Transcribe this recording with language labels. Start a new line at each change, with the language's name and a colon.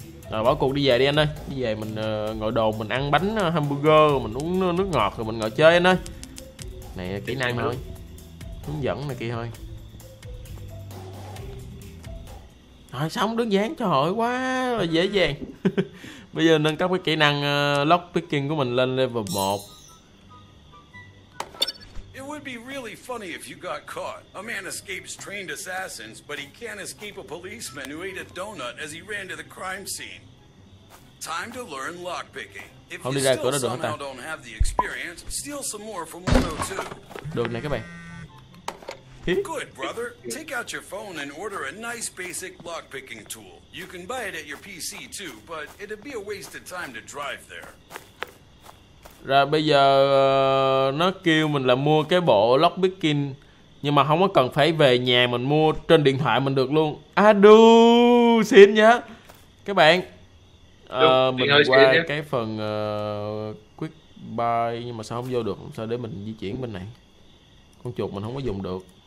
Vietnamese: Rồi bỏ cuộc đi về đi anh ơi. Đi về mình ngồi đồ, mình ăn bánh hamburger, mình uống nước ngọt rồi mình ngồi chơi anh ơi. Này kỹ năng thôi. Hướng dẫn này kia thôi. Rồi xong đứng dán cho hội quá là dễ dàng. Bây giờ nâng cấp cái kỹ năng lockpicking của mình lên level 1.
English: It would be really funny if you got caught. A man escapes trained assassins, but he can't escape a policeman who ate a donut as he ran to the crime scene. Time to learn lockpicking. If you still somehow don't have the experience, steal some more from 102.
Vietnamese: Được này các bạn.
English: Good brother, take out your phone and order a nice basic lockpicking tool. You can buy it at your PC too, but it'd be a waste of time to drive there.
Vietnamese: Rồi bây giờ nó kêu mình là mua cái bộ lockpicking, nhưng mà không có cần phải về nhà, mình mua trên điện thoại mình được luôn. À đù, xin nhá. Các bạn mình qua cái phần quick buy, nhưng mà sao không vô được, sao để mình di chuyển bên này. Con chuột mình không có dùng được.